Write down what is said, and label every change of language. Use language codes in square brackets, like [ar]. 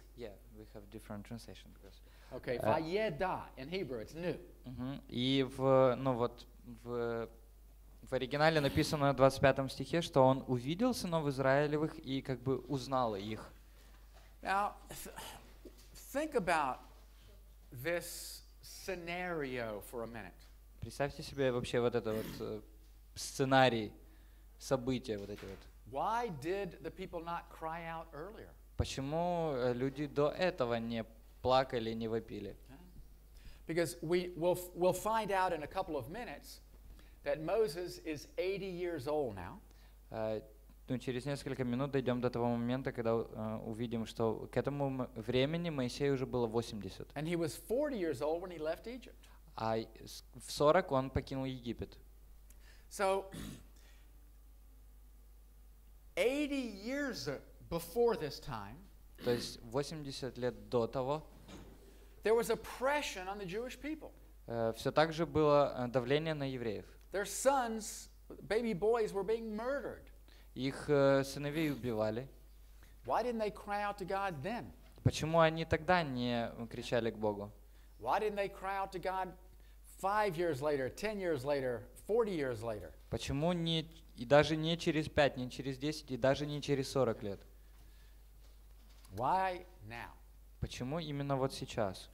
[en] Yeah, we have different translations. Okay, vayeda in Hebrew, it's new. [ru] И в, ну вот, в оригинале написано в 25 стихе, что он увидел сынов Израилевых и как бы узнал их. [en] Now, think about this scenario for a minute. [ru] Представьте себе вообще вот это вот сценарий, события вот эти вот. [en] Why did the people not cry out earlier? [ru] Почему люди до этого не плакали, не вопили? [en] Because we'll find out in a couple of minutes that Moses is 80 years old now. [ru] Ну, через несколько минут дойдем до того момента, когда увидим, что к этому времени Моисей уже было 80. [en] And he was 40 years old when he left Egypt. [ru] А в 40 он покинул Египет. [en] So, 80 years before this time, [ru] то есть 80 лет до того, [en] there was oppression on the Jewish people. [ru] Все так же было давление на евреев. [en] Their sons, baby boys, were being murdered. [ru] Их сыновей убивали. [en] Why didn't they cry out to God then? [ru] Почему они тогда не кричали к Богу? [en] Why didn't they cry out to God 5 years later, 10 years later, 40 years later? [ru] Почему не и даже не через 5, не через 10, и даже не через 40 лет? [en] Why now? [ru] Почему именно вот сейчас?